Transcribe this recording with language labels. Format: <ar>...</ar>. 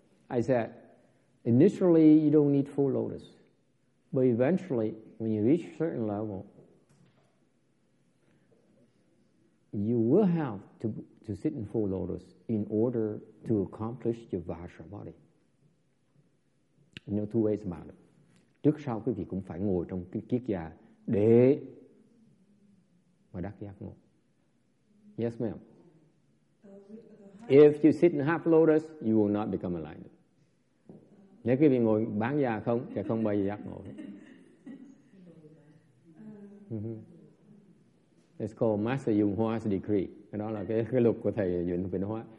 <en>I said, initially you don't need full lotus, but eventually when you reach a certain level, you will have to sit in full lotus in order to accomplish your vajra body. You know, two ways about it.</en> <vi>Trước sau quý vị cũng phải ngồi trong cái kiết già để mà đắc giác ngộ.</vi> <en>Yes, ma'am. If you sit in half lotus, you will not become enlightened.</en> <vi>Nếu quý vị ngồi bán già không, sẽ không bao giờ giác ngộ.</vi> <en>It's called Master Yung Hua's decree.</en> <vi>Cái đó là cái luật của thầy Yung Vinh Hoa.</vi>